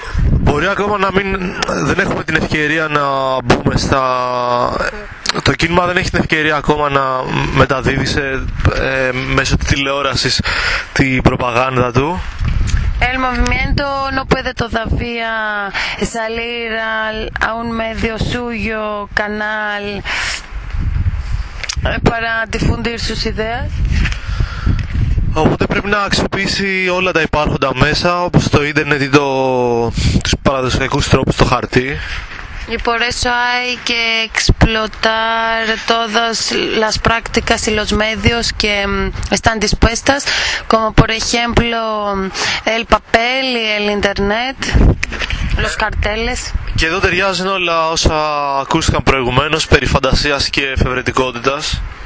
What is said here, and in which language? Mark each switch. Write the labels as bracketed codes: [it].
[el] Μπορεί ακόμα να μην, δεν έχουμε την ευκαιρία να μπούμε στα... Το κίνημα δεν έχει την ευκαιρία ακόμα να μεταδίδει σε, μέσω της τηλεόρασης την προπαγάνδα του. [es] El movimiento no puede todavía salir a un medio suyo, canal, para difundir sus ideas. [el] Οπότε πρέπει να αξιοποιήσει όλα τα υπάρχοντα μέσα, όπως το ίντερνετ ή τους παραδοσιακούς τρόπους, το χαρτί. [es] Y por eso hay que explotar todas las prácticas y los medios que están dispuestas, como por ejemplo el papel y el internet, los carteles. [el] Και εδώ ταιριάζουν όλα όσα ακούστηκαν προηγουμένως περί φαντασίας και εφευρετικότητας.